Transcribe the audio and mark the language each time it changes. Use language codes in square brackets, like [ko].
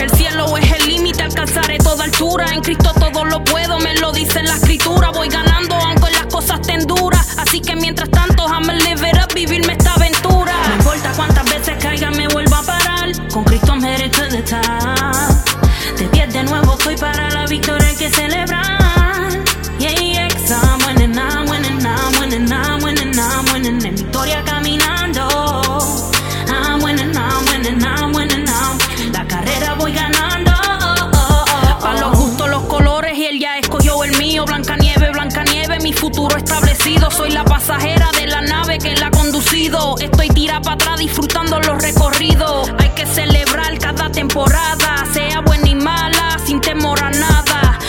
[es] El cielo es el límite, alcanzaré toda altura. En Cristo todo lo puedo, me lo dice la escritura. Voy ganando, aunque las cosas estén duras. Así que mientras tanto, [en] I'ma live it up, [es] vivirme esta aventura. No importa cuántas veces caiga, me vuelvo a parar. Con Cristo merezco de estar. De pie de nuevo soy para la victoria que celebrar. [en] Yeah, yeah, I'm winning, I'm winning, I'm winning, I'm winning, I'm winning. [es] En victoria caminando. [en] I'm winning, I'm winning, I'm winning, I'm winning. [es] La carrera voy ganando. Para los gustos, los colores y él ya escogió el mío. Blanca nieve, mi futuro establecido. Soy la pasajera de la nave que la ha conducido. Estoy tira para atrás disfrutando los recorridos. Hay que celebrar cada temporada, sea buena y mala, sin temor a nada.